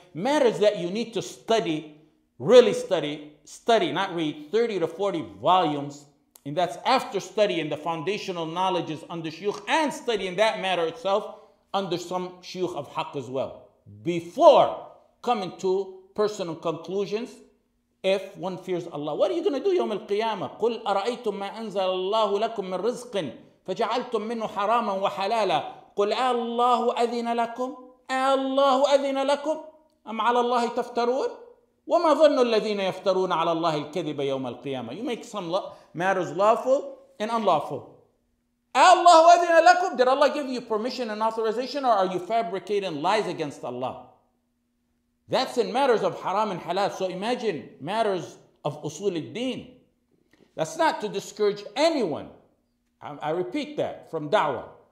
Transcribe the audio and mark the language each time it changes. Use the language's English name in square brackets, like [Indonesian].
[English] Matters that you need to study, really study, not read, 30 to 40 volumes. And that's after studying the foundational knowledges under Shaykh and studying that matter itself under some Shaykh of Haqq as well. Before coming to personal conclusions If one fears Allah, what are you going to do [Arabic] يوم القيامة? قُلْ أَرَأَيْتُمْ مَا أَنْزَلَ اللَّهُ لَكُمْ مِنْ رِزْقٍ فَجَعَلْتُمْ مِنْهُ حَرَامًا وَحَلَالًا قُلْ أَاللَّهُ أَذِنَ لَكُمْ أَاللَّهُ أَذِنَ لَكُمْ أَمْ عَلَى اللَّهِ تَفْتَرُونَ وَمَا ظَنُّ الَّذِينَ يَفْتَرُونَ عَلَى اللَّهِ الْكَذِبَ يَوْمَ الْقِيَامَةِ [English] You make some matters lawful and unlawful. [Arabic] أَاللَّهُ أَذِنَ لَكُمْ [English] Did Allah give you permission and authorization or are you fabricating lies against Allah? That's in matters of haram and halal. So imagine matters of usul al-deen. That's not to discourage anyone. I repeat that from da'wah.